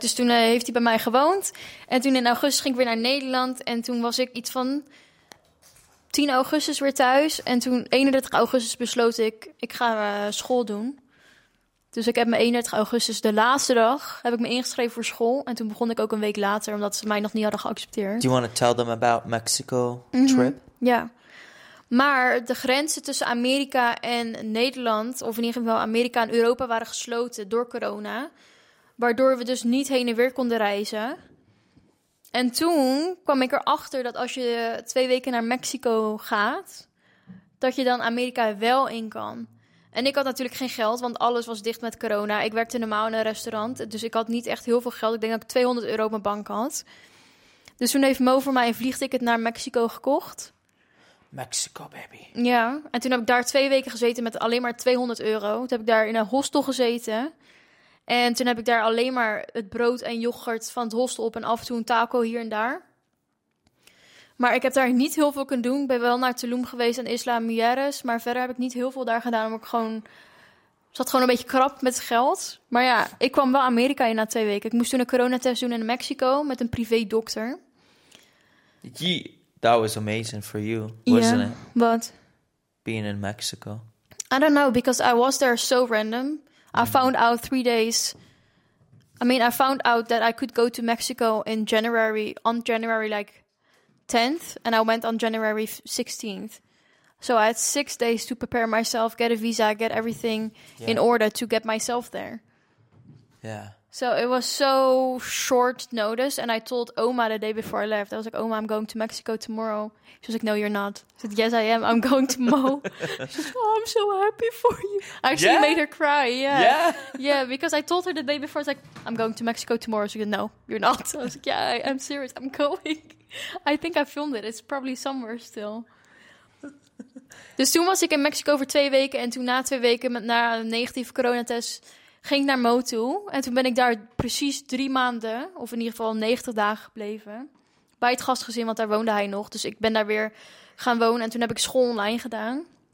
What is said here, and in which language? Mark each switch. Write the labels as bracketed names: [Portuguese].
[Dutch] Dus toen heeft hij bij mij gewoond. En toen in augustus ging ik weer naar Nederland. En toen was ik iets van 10 augustus weer thuis. En toen 31 augustus besloot ik, ik ga school doen. Dus ik heb me 31 augustus, de laatste dag, heb ik me ingeschreven voor school. En toen begon ik ook een week later, omdat ze mij nog niet hadden geaccepteerd. [English] Do you want to tell them about Mexico trip? [Dutch] Mm-hmm. Ja. Maar de grenzen tussen Amerika en Nederland, of in ieder geval Amerika en Europa, waren gesloten door corona. Waardoor we dus niet heen en weer konden reizen. En toen kwam ik erachter dat als je 2 weken naar Mexico gaat, dat je dan Amerika wel in kan. En ik had natuurlijk geen geld, want alles was dicht met corona. Ik werkte normaal in een restaurant, dus ik had niet echt heel veel geld. Ik denk dat ik €200 op mijn bank had. Dus toen heeft Mo voor mij een vliegticket naar Mexico gekocht. [English] Mexico, baby. [Dutch] Ja, en toen heb ik daar 2 weken gezeten met alleen maar €200. Toen heb ik daar in een hostel gezeten. En toen heb ik daar alleen maar het brood en yoghurt van het hostel op en af en toe een taco hier en daar. Maar ik heb daar niet heel veel kunnen doen. Ik ben wel naar Tulum geweest en Isla Mujeres. Maar verder heb ik niet heel veel daar gedaan. Omdat ik gewoon zat gewoon een beetje krap met geld. Maar ja, ik kwam wel Amerika in na 2 weken. Ik moest toen een coronatest doen in Mexico met een privé dokter. [English] Yeah, that was amazing for you, wasn't it? What? Being in Mexico. I don't know, because I was there so random. I found out 3 days. I mean, I found out that I could go to Mexico in January, on January like 10th, and I went on January 16th. So I had 6 days to prepare myself, get a visa, get everything in order to get myself there. Yeah. So it was so short notice, and I told Oma the day before I left. I was like, Oma, I'm going to Mexico tomorrow. She was like, no, you're not. I said, yes, I am. I'm going to Mo. She said, oh, I'm so happy for you. I actually made her cry. Yeah. Yeah, because I told her the day before, I was like, I'm going to Mexico tomorrow. She said, no, you're not. I was like, yeah, I am serious. I'm going. I think I filmed it. It's probably somewhere still. [Dutch] Dus toen was ik in Mexico voor 2 weken, en toen na 2 weken, na een negatieve coronatest, ging ik naar Mo toe. En toen ben ik daar precies 3 maanden, of in ieder geval 90 dagen gebleven. Bij het gastgezin, want daar woonde hij nog. Dus ik ben daar weer gaan wonen. En toen heb ik school online gedaan.